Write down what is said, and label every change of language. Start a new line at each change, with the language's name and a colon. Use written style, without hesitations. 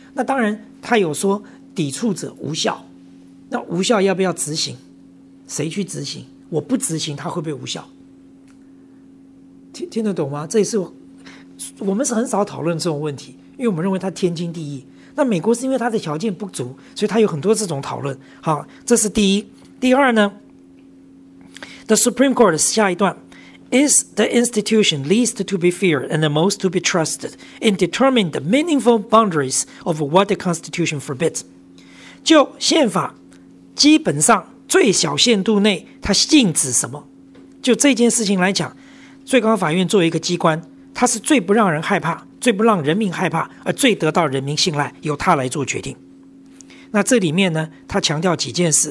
Chinese: 那当然他有说抵触者无效，那无效要不要执行？谁去执行？我不执行它会不会无效？听得懂吗？这也是我们是很少讨论这种问题，因为我们认为它天经地义。那美国是因为它的条件不足，所以它有很多这种讨论。好，这是第一。第二呢，
English: The Supreme Court
Chinese: 下一段，
English: Is the institution least to be feared and the most to be trusted in determining the meaningful boundaries of what the Constitution forbids?
Chinese: 就宪法基本上最小限度内它禁止什么，就这件事情来讲，最高法院作为一个机关，它是最不让人害怕，最不让人民害怕，而最得到人民信赖，由它来做决定。那这里面呢，它强调几件事。